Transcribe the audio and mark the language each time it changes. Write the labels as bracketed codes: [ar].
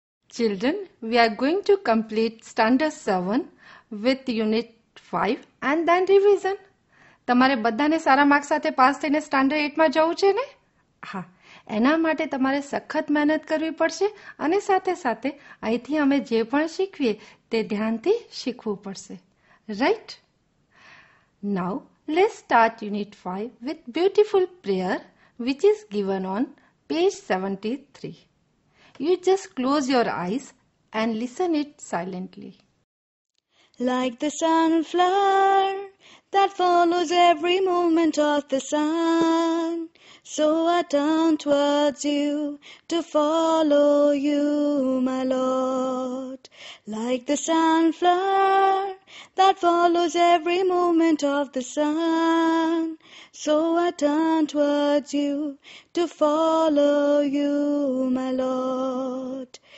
[en] Children, we are going to complete Standard 7 with Unit 5 and then revision. [gu] તમારે બધાને સારા mark સાથે pass થઈને standard 8માં જવું છે ને? હા, એના માટે તમારે સખત મહેનત કરવી પડશે અને સાથે સાથે અહીંથી અમે જે પણ શીખવીએ તે ધ્યાનથી શીખવું પડશે. Right? [en] Now let's start unit 5 with beautiful prayer which is given on page 73. You just close your eyes and listen it silently. Like the sunflower that follows every movement of the sun, so I turn towards you to follow you, my Lord. Like the sunflower that follows every movement of the sun, so I turn towards you to follow you, my Lord.